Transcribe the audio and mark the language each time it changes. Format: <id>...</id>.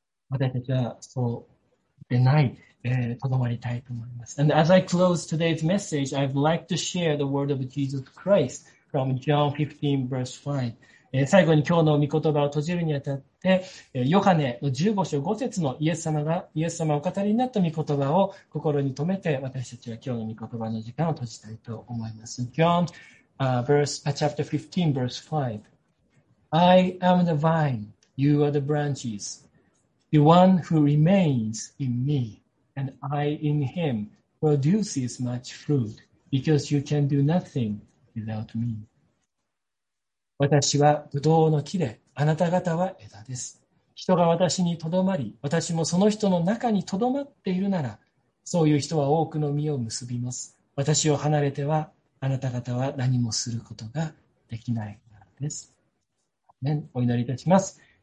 <ja>私たちはそうでない、とどまりたいと思います。</ja> <en>And as I close today's message, I'd like to share the word of Jesus Christ from John 15, verse 5.</en> <ja>最後に今日の御言葉を閉じるにあたって、ヨハネの15章5節のイエス様をお語りになった御言葉を心に留めて、私たちは今日の御言葉の時間を閉じたいと思います。</ja> <en>John, chapter 15, verse 5. I am the vine, you are the branches. The one who remains in me and I in him produces much fruit because you can do nothing without me.</en> <ja>私はブドウの木で、あなた方は枝です。人が私にとどまり、私もその人の中にとどまっているなら、そういう人は多くの実を結びます。私を離れては、あなた方は何もすることができないからです。お祈りいたします。</ja>